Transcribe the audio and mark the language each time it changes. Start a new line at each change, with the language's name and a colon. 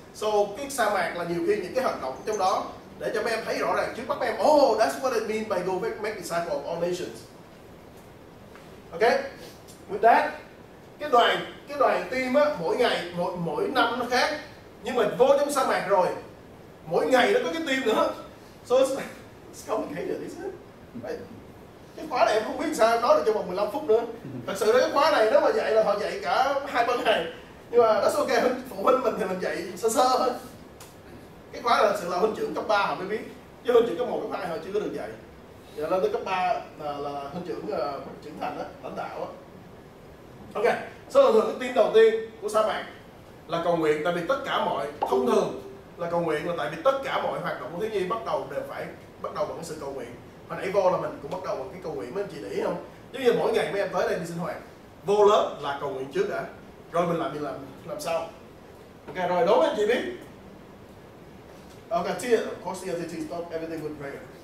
Vietnamese: So cái sa mạc là nhiều khi những cái hành động trong đó để cho mấy em thấy rõ ràng trước mắt em.
English: Oh, that's what it means by go make disciples of all nations.
Vietnamese: Okay, with that, cái đoàn team á, mỗi ngày, mỗi năm nó khác, nhưng mà vô trong sa mạc rồi, mỗi ngày nó có cái team nữa.
English: So it's complicated, isn't it? Right.
Vietnamese: Cái khóa này em không biết sao nói được trong vòng 15 phút nữa. Thật sự cái khóa này nếu mà dạy là họ dạy cả 2-3 ngày. Nhưng mà
English: that's okay,
Vietnamese: phụ huynh mình thì mình dạy sơ sơ thôi. Cái khóa là thật sự là huynh trưởng cấp 3 họ mới biết. Chứ huynh trưởng cấp 1, cấp 2 họ chưa có được dạy. Giờ lên tới cấp 3 là huynh trưởng trưởng thành á, lãnh đạo á. Ok, so thường thường cái team đầu tiên của sa mạc là cầu nguyện, tại vì tất cả mọi, thông thường là cầu nguyện là tại vì tất cả mọi hoạt động của thiếu nhi bắt đầu bằng cái sự cầu nguyện. Hồi nãy vô là mình cũng bắt đầu bằng cái cầu nguyện, mấy anh chị để ý không? Giống như mỗi ngày mấy em tới đây đi sinh hoạt, vô lớp là cầu nguyện trước đã, rồi mình làm sao? Ok, rồi đúng anh chị biết.
English: Ok, tier, of course, the other stop everything with prayer.